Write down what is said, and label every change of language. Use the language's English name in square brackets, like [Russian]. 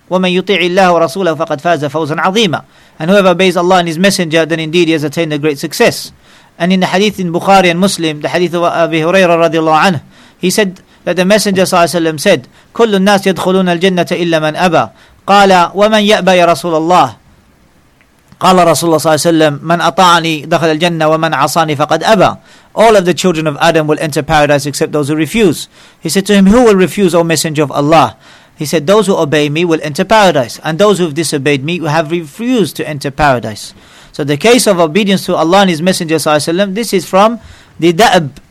[Arabic] وَمَنْ يُطِعِ اللَّهُ وَرَسُولَهُ فَقَدْ فَازَ فَوْزًا عَظِيمًا. [English] And whoever obeys Allah and His Messenger, then indeed he has attained a great success. And in the hadith in Bukhari and Muslim, the hadith of Abi Hurairah radiallahu anhu, he said that the Messenger صلى الله عليه وسلم said, [Arabic] كُلُّ النَّاسِ يَدْخُلُونَ الْجَنَّةَ إِلَّا مَنْ أَبَى. قَالَ وَمَنْ يَأْبَى يَا رَسُولَ اللَّهِ. قال رسول الله صلى الله عليه وسلم من أطاعني دخل الجنة ومن عصاني فقد أبى. [English] All of the children of Adam will enter paradise except those who refuse. He said to him, who will refuse, O Messenger of Allah? He said, those who obey me will enter paradise, and those who have disobeyed me will have refused to enter paradise. So the case of obedience to Allah and His Messenger صلى الله عليه وسلم, this is from the da'ab.